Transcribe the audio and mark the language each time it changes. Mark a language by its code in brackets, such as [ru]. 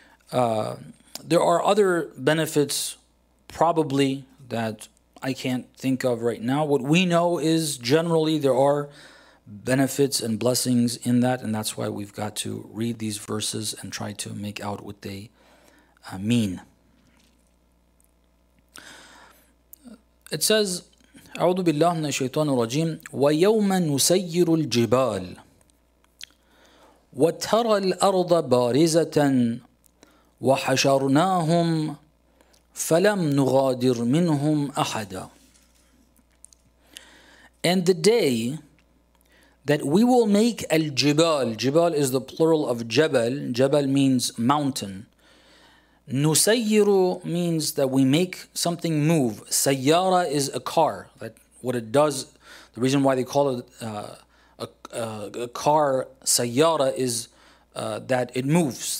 [en] There are other benefits probably that I can't think of right now. What we know is generally there are benefits and blessings in that, and that's why we've got to read these verses and try to make out what they mean. It says, [ar] أعوذ بالله من الشيطان الرجيم ويوم نسير الجبال وترى الأرض بارزة وحشرناهم فلم نغادر منهم أحدا. [en] And the day that we will make al-jibal, jibal is the plural of jabal, jabal means mountain. Nusayyiru means that we make something move. Sayyara is a car. That what it does, the reason why they call it a car, sayyara, is that it moves.